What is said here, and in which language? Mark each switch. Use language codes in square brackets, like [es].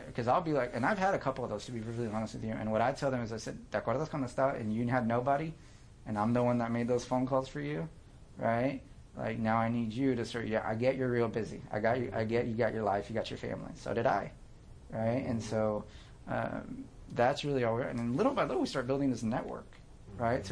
[en] Because I'll be like, and I've had a couple of those, to be really honest with you. And what I tell them is I said, [es] ¿te acuerdas cuando estaba? [en] And you had nobody. And I'm the one that made those phone calls for you, right? Like, now I need you to start. Yeah, I get you're real busy. I got you. I get you got your life. You got your family. So did I, right? And so that's really all we're. And then little by little, we start building this network, right?